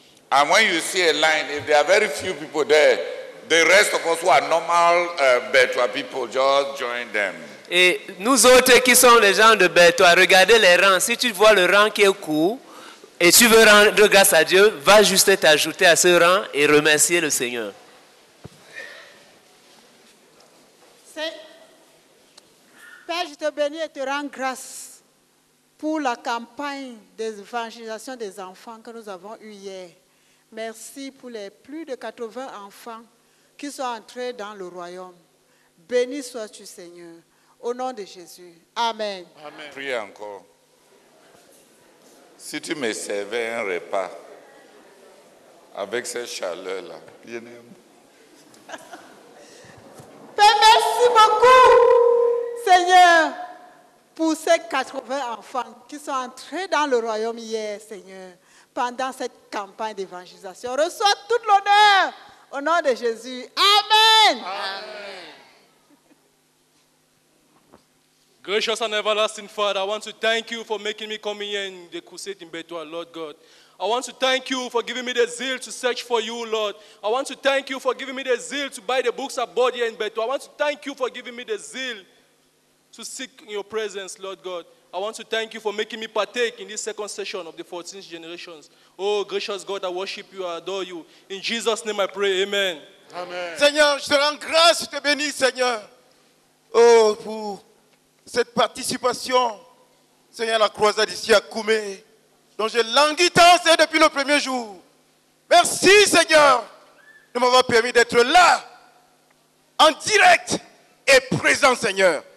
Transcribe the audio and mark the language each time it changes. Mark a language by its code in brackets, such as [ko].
[en] And when you see a line, if there are very few people there, the rest of us who are normal Bethoua people, just join them. [fr] Et nous autres qui sommes les gens de Bethoua, regardez les rangs. Si tu vois le rang qui est court et tu veux rendre grâce à Dieu, va juste t'ajouter à ce rang et remercier le Seigneur. Père, je te bénis et te rends grâce pour la campagne d'évangélisation des enfants que nous avons eue hier. Merci pour les plus de 80 enfants qui sont entrés dans le royaume. Béni sois-tu, Seigneur, au nom de Jésus. Amen. Amen. Prie encore. Si tu me servais un repas avec cette chaleur-là, bien aimé. Père, merci beaucoup. Seigneur, pour ces 80 enfants qui sont entrés dans le royaume hier, Seigneur, pendant cette campagne d'évangélisation, reçois tout l'honneur au nom de Jésus. Amen. Amen. [en] Gracious and everlasting Father, I want to thank you for making me come here in the crusade in Bethoua, Lord God. I want to thank you for giving me the zeal to search for you, Lord. I want to thank you for giving me the zeal to buy the books I bought here in Bethoua. I want to thank you for giving me the zeal to seek your presence, Lord God. I want to thank you for making me partake in this second session of the 14th generations. Oh, gracious God, I worship you, I adore you. In Jesus' name I pray, amen. Amen. [fr] Seigneur, je te rends grâce, je te bénis, Seigneur. Oh, pour cette participation, Seigneur, la croisade ici à Koumé, dont j'ai langui tant, Seigneur, depuis le premier jour. Merci, Seigneur, de m'avoir permis d'être là, en direct et présent, Seigneur.